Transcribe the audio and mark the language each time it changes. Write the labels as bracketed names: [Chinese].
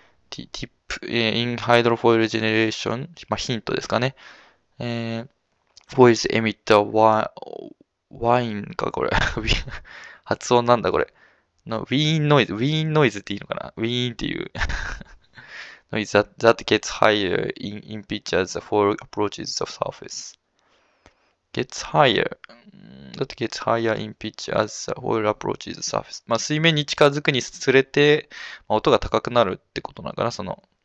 [Japanese] ティップ、in hydrofoil generation、まあ、ヒントですかね。フォイルズ [English] emit a wine [Japanese] か、これ。発音なんだ、これ。ウィーンノイズ、ウィーンノイズっていいのかな？ウィーンっていう。 [English] ノイズ that gets higher in pitch as the foil approaches the surface。 gets higher, that gets higher in pitch as the oil approaches the surface. [Japanese] まあ、水面に近づくにつれて、まあ、音が高くなるってことなのかな、その。